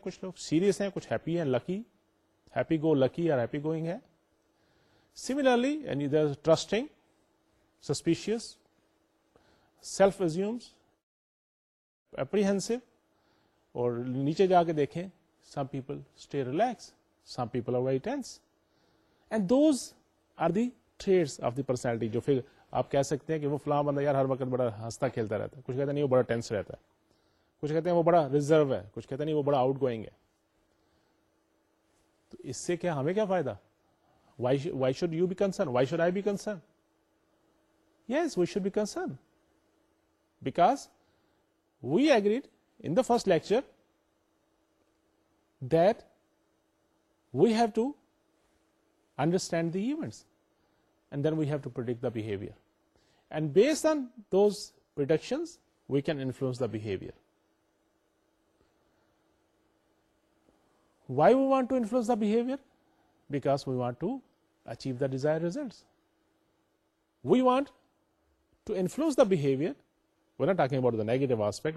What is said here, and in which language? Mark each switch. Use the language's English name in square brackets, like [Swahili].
[Urdu] کچھ لوگ سیریس ہیں, کچھ ہیپی ہیں, لکی, ہیپی گو لکی اور ہیپی گوئنگ ہے. [English] Similarly trusting, suspicious, self assumes, apprehensive. [Urdu] اور نیچے جا کے دیکھیں, [English] Some people stay relax, some people are very tense. And those are the traits of the personality. [Urdu] جو پھر آپ کہہ سکتے ہیں کہ وہ فلاں بندہ یار ہر وقت بڑا ہنستا کھیلتا رہتا ہے, کچھ کہتے نہیں وہ بڑا ٹینس رہتا ہے, کچھ کہتے ہیں وہ بڑا ریزرو ہے, کچھ کہتے نہیں وہ بڑا آؤٹ گوئنگ ہے. تو اس سے کیا ہمیں کیا فائدہ؟ [English] Why should you be concern, why should I be concern? Yes we should be concern because we agreed in the first lecture that we have to understand the events and then we have to predict the behavior. And based on those predictions, we can influence the behavior. Why we want to influence the behavior? Because we want to achieve the desired results. We want to influence the behavior. We're not talking about the negative aspect.